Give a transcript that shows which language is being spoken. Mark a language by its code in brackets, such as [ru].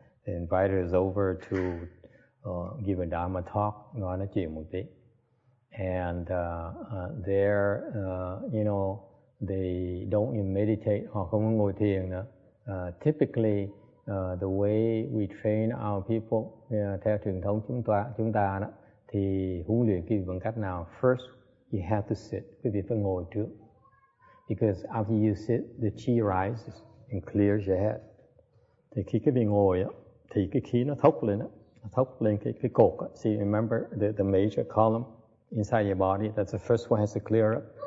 [en] They invited us over to give a Dharma talk, [vi] nói chuyện một tí. [en] And there, you know, they don't even meditate, [vi] họ không ngồi thiền nữa. [en] Typically, the way we train our people, [vi] theo truyền thống chúng ta đó, thì huấn luyện quý vị bằng cách nào? [en] First, you have to sit. [vi] Quý vị phải ngồi trước. [en] Because after you sit, the chi rises and clears your head. [vi] Thì khi quý vị ngồi á, thì cái khí nó thốc lên á, cái cột á. [en] See, remember the major column inside your body, that's the first one has to clear up.